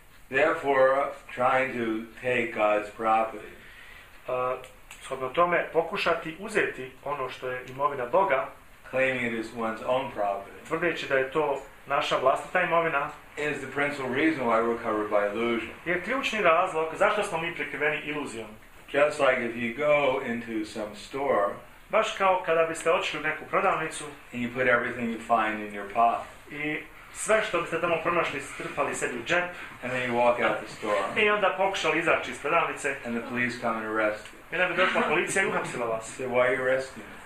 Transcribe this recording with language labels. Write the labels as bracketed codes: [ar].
[en] Therefore, trying to take God's property. [bs] Shodno tome, pokušati uzeti ono što je imovina Boga, [en] claiming it is one's own property, [bs] tvrdeći da je to naša vlastita imovina, [en] is the principal reason why we're covered by illusion. [bs] Je ključni razlog zašto smo mi prekriveni iluzijom. [en] Just like if you go into some store, [bs] baš kao kada biste otišli u neku prodavnicu, [en] and you put everything you find in your pocket, [bs] i sve što biste tamo pronašli strpali sebi u džep. [en] And then you walk out the store. [bs] I onda pokušali izaći iz prodavnice. [en] And the police come and arrest you. [bs] I onda bi došla policija i uhapsila vas. [en] So why are you arresting me?